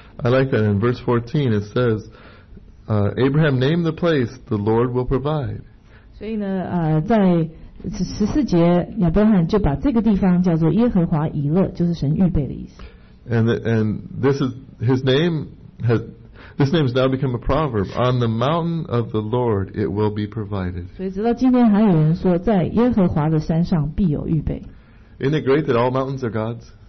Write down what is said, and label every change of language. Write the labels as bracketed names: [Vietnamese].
[English] I like that in verse 14 it says, Abraham named the place, the Lord will provide. [Chinese] 所以呢，在十四节亚伯拉罕就把这个地方叫做耶和华以勒，就是神预备的意思。 [English] And this is his name has This name has now become a proverb. On the mountain of the Lord it will be provided. [Chinese] 所以直到今天还有人说在耶和华的山上必有预备。 [English] Isn't it great that all mountains are God's?